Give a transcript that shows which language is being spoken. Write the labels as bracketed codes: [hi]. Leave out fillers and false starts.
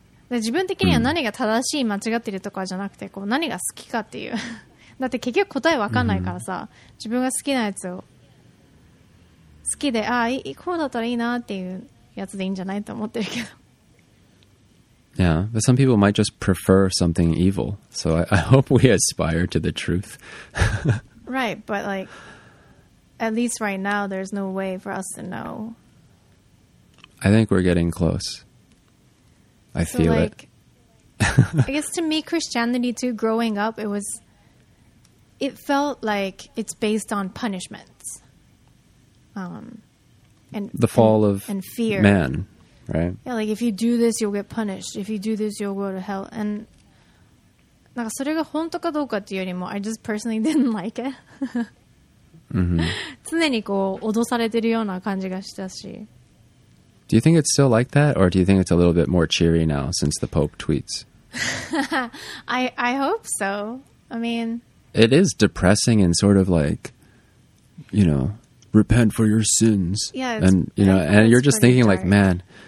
[ja] 自分的には何が正しい間違ってるとかじゃなくて、こう何が好きかっていう。だって結局答え分かんないからさ、自分が好きなやつを好きで、ああ、こうだったらいいなっていうやつでいいんじゃないと思ってるけど。 [en] Yeah, but some people might just prefer something evil. So I hope we aspire to the truth. Right, but like, at least right now, there's no way for us to know. I think we're getting close. I so feel like, it. I guess to me, Christianity too, growing up, it felt like it's based on punishments. And fear. Man. Right. Yeah, like if you do this, you'll get punished. If you do this, you'll go to hell. [ja] And なんかそれが本当かどうかっていうよりも、 [en] I just personally didn't like it. 、 mm-hmm. [ja] 常にこう脅されてるような感じがしたし。 [en] Do you think it's still like that, or do you think it's a little bit more cheery now since the Pope tweets? I hope so. I mean, it is depressing and sort of like, you know, repent for your sins. Yeah, it's, and you know, and you're just thinking like, man.